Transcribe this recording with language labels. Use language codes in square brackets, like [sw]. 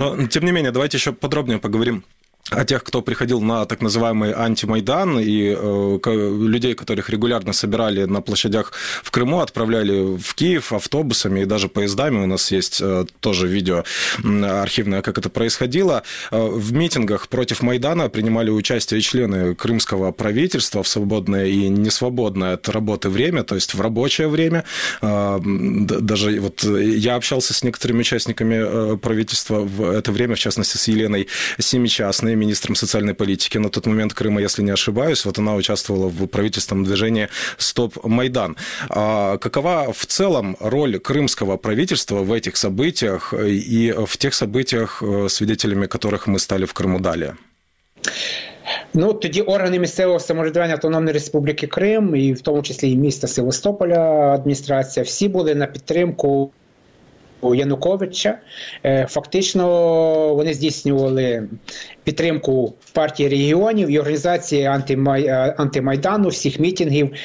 [ru] Тем не менее, давайте [uk] ще подробніше поговоримо. [ru] А тех, кто приходил на так называемый антимайдан и людей, которых регулярно собирали на площадях в Крыму, отправляли в Киев автобусами и даже поездами. У нас есть тоже видео архивное, как это происходило. В митингах против Майдана принимали участие члены крымского правительства в свободное и несвободное от работы время, то есть в рабочее время. Даже вот я общался с некоторыми участниками правительства в это время, в частности, с Еленой Семичастной, министром социальной политики на тот момент Крыма, если не ошибаюсь. Вот она участвовала в правительственном движении «Стоп Майдан». А какова в целом роль крымского правительства в этих событиях и в тех событиях, свидетелями которых мы стали в Крыму далее? [uk] Ну, тоді органи місцевого самоврядування Автономної Республіки Крим, і в тому числі і міста Севастополя, адміністрація, всі були на підтримку Януковича. Фактично вони здійснювали підтримку партії регіонів і організації антимайдану, всіх мітингів.